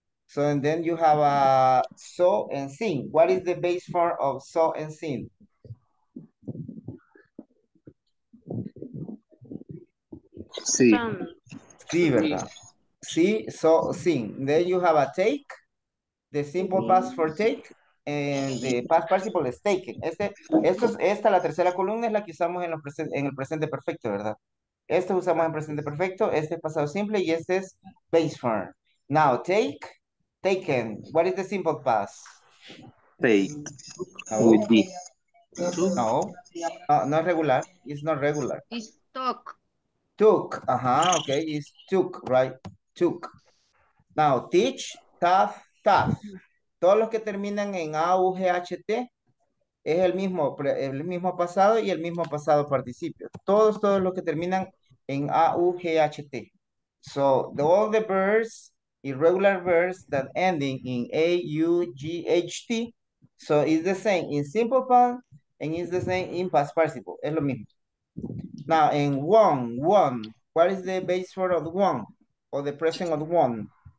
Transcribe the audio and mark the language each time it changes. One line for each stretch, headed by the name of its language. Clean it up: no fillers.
English: So, and then you have a saw and seen. What is the base form of saw and seen?
Spanish: Sí, ¿verdad? Sí,
English: saw, seen. Then you have a take. The simple past for take and the past participle is taken.
Spanish: Esta, la tercera columna, es la que usamos en, el presente perfecto, ¿verdad? Esto usamos en presente perfecto, este es pasado simple y este es base form.
English: Now, take, taken. What is the simple past? Take. Would be.
Spanish: No. No es regular.
English: It's not regular. It's took. Took. Uh-huh. Okay. It's took, right? Took. Now, teach, tough. Tough.
Spanish: Todos los que terminan en A-U-G-H-T es el mismo pasado y el mismo pasado participio. Todos los que terminan en A-U-G-H-T.
English: So, all the verbs, irregular verbs that ending in A-U-G-H-T, so it's the same in simple past and it's the same in past participle.
Spanish: Es lo mismo.
English: Now, in one, What is the base word of one or the present of one?